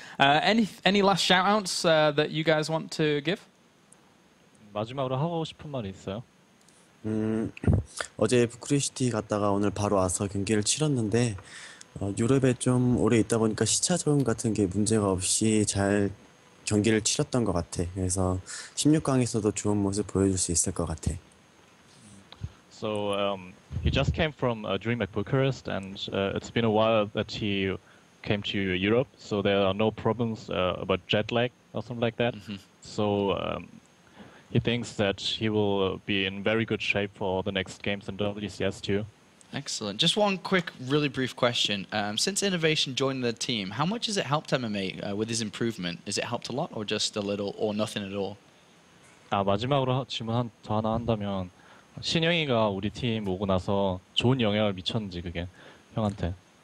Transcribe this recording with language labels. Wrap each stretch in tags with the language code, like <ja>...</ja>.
<en>Any last shout-outs that you guys want to give?</en> <ko>마지막으로 하고 싶은 말이 있어요? 어제 부크리시티 갔다가 오늘 바로 와서 경기를 치렀는데 유럽에 좀 오래 있다 보니까 시차 적응 같은 게 문제가 없이 잘 경기를 치렀던 것 같아. 그래서 16강에서도 좋은 모습 보여줄 수 있을 것 같아.</ko> <en>So he just came from DreamHack Bucharest, and it's been a while that he came to Europe, so there are no problems about jet lag or something like that. Mm-hmm. So he thinks that he will be in very good shape for the next games in WCS too. Excellent. Just one quick, really brief question. Since Innovation joined the team, how much has it helped MMA with his improvement? Has it helped a lot, or just a little, or nothing at all?</en> <ko>아, 마지막으로 질문 한, 더 하나 한다면 신영이가 우리 팀 오고 나서 좋은 영향을 미쳤는지 그게 형한테.</ko>